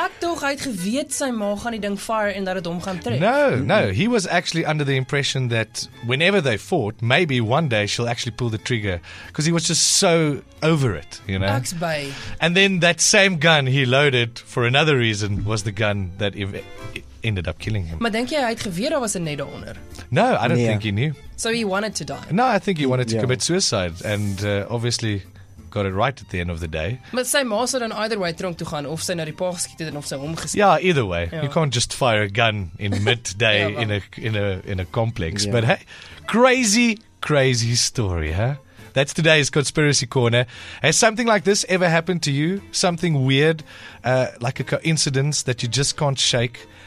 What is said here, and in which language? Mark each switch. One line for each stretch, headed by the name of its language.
Afrikaans: tog, hy het geweet sy ma gaan die ding fire en dat het hom gaan trek.
English: No, no. He was actually under the impression that whenever they fought, maybe one day she'll actually pull the trigger. Because he was just so over it, you know. Axe bay. And then that same gun he loaded for another reason was the gun that ended up killing him.
Afrikaans: Maar denk jy, hy het geweet daar was 'n net onder?
English: No, I don't think he knew. So he wanted to die? No, I think he wanted to commit suicide. And obviously got it right at the end of the day. But
Afrikaans: sy ma sou dan
English: either way
Afrikaans: tronk toe gaan of sy na die pa geskiet het en of sy hom geskiet.
English: Yeah, either way. Yeah. You can't just fire a gun in midday in a complex. Yeah. But hey, crazy story, huh? That's today's Conspiracy Corner. Has something like this ever happened to you? Something weird, like a coincidence that you just can't shake?